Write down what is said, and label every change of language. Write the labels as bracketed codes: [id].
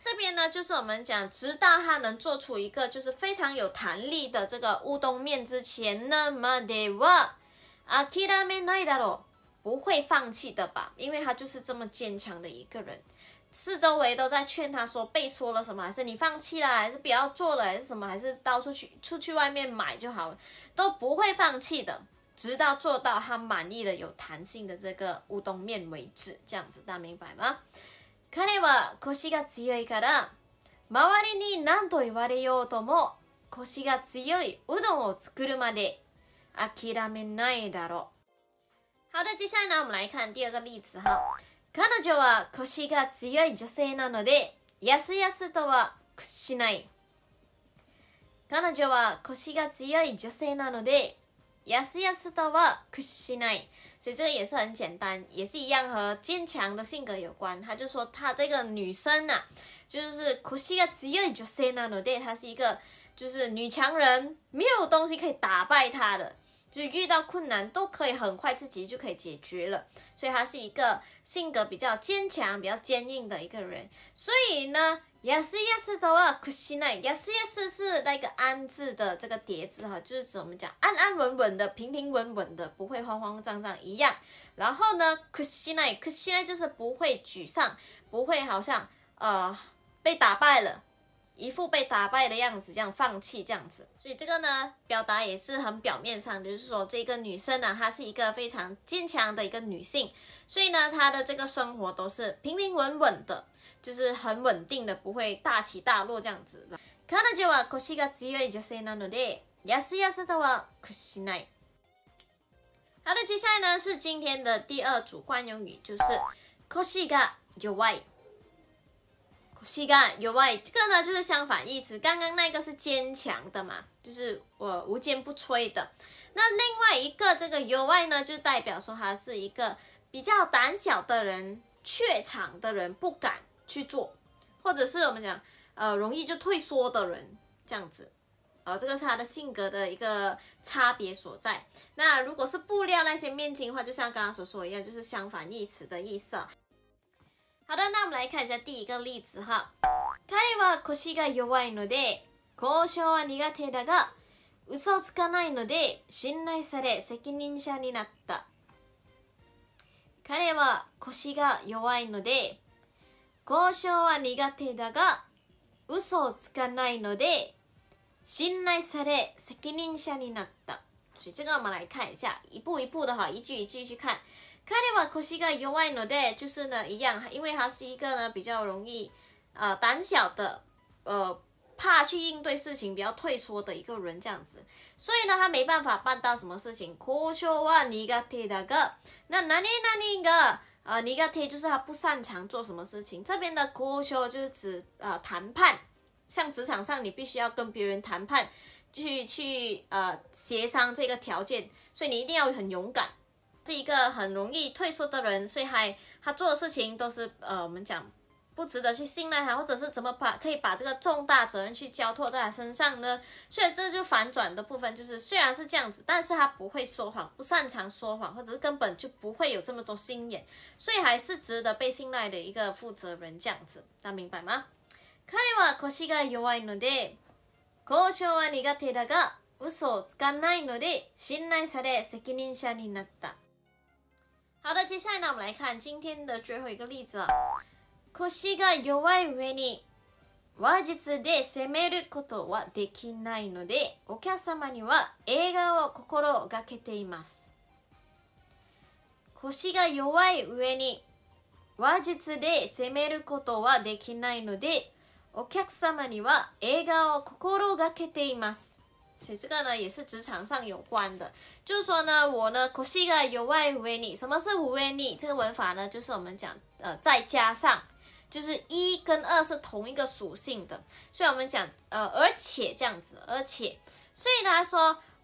[zh] 这边呢就是我们讲直到他能做出一个就是非常有弹力的这个乌冬面之前呢， [ja] まではあきらめないだろう， [zh] 不会放弃的吧，因为他就是这么坚强的一个人，四周围都在劝他说被说了什么，还是你放弃了，还是不要做了，还是什么，还是到处去出去外面买就好了，都不会放弃的，直到做到他满意的有弹性的这个乌冬面为止，这样子大明白吗？ [ja] 彼は腰が強いから周りに何と言われようとも腰が強いうどんを作るまで諦めないだろう。 [zh] 好的，接下来呢，我们来看第二个例子哈。 [ja] 彼女は腰が強い女性なので、やすやすとは屈しない。彼女は腰が強い女性なので、やすやすとは屈しない。 [zh] 所以这个也是很简单，也是一样和坚强的性格有关。他就说他这个女生啊，就是 [ja] 腰が強い女性なので， [zh] 她是一个就是女强人，没有东西可以打败她的，就遇到困难都可以很快自己就可以解决了。所以她是一个性格比较坚强、比较坚硬的一个人。所以呢， [ja] やすやすとは屈しない。 [zh] やすやす是那个安置的这个叠字哈，就是怎么讲，安安稳稳的、平平稳稳的，不会慌慌张张一样。然后呢，屈しない，屈しない就是不会沮丧，不会好像被打败了，一副被打败的样子，这样放弃这样子。所以这个呢，表达也是很表面上，就是说这个女生呢，她是一个非常坚强的一个女性，所以呢，她的这个生活都是平平稳稳的。就是很稳定的，不会大起大落这样子。 [ja] 彼女は腰が強い女性なので、やすやすとは屈しない。 [zh] 好的，接下来呢是今天的第二组惯用语，就是腰が弱い。腰が弱い，这个呢就是相反意思。刚刚那个是坚强的嘛，就是我无坚不摧的。那另外一个这个弱い呢，就代表说他是一个比较胆小的人、怯场的人，不敢去做，或者是我们讲容易就退缩的人这样子，这个是他的性格的一个差别所在。那如果是布料那些面巾的话，就像刚刚所说一样，就是相反意思的意思。好的，那我们来看一下第一个例子哈。 [ja] 彼は腰が弱いので交渉は苦手だが嘘をつかないので信頼され責任者になった。彼は腰が弱いので交渉は苦手だが嘘をつかないので信頼され責任者になった。 [zh] 所以这个我们来看一下，一步一步的哈，一句一句去看。 [ja] 彼は腰が弱いので， [zh] 就是呢一样，因为他是一个呢比较容易胆小的，怕去应对事情，比较退缩的一个人这样子，所以呢他没办法办到什么事情。 [ja] 交渉は苦手だが， [zh] 那何何が苦手就是他不擅长做什么事情。这边的交渉就是指谈判，像职场上你必须要跟别人谈判，去协商这个条件，所以你一定要很勇敢。是一个很容易退缩的人，所以他做的事情都是我们讲不值得去信赖他，或者是怎么可以把这个重大责任去交托在他身上呢？所以这就反转的部分，就是虽然是这样子，但是他不会说谎，不擅长说谎，或者是根本就不会有这么多心眼，所以还是值得被信赖的一个负责人这样子。那明白吗？ [ja] 彼は腰が弱いので交渉は苦手だが嘘をつかないので信頼され責任者になった。 [zh] 好的，接下来呢我们来看今天的最后一个例子。 [ja] 腰が弱い上に話術で攻めることはできないので、お客様には笑顔を心がけています。腰が弱い上に話術で攻めることはできないので、お客様には笑顔を心がけています。 [zh] 所以这个呢也是职场上有关的，就是说呢，我呢 [ja] 腰が弱い上に， [zh] 什么是上に？这个文法呢就是我们讲再加上，就是一跟二是同一个属性的，所以我们讲而且这样子，而且，所以他说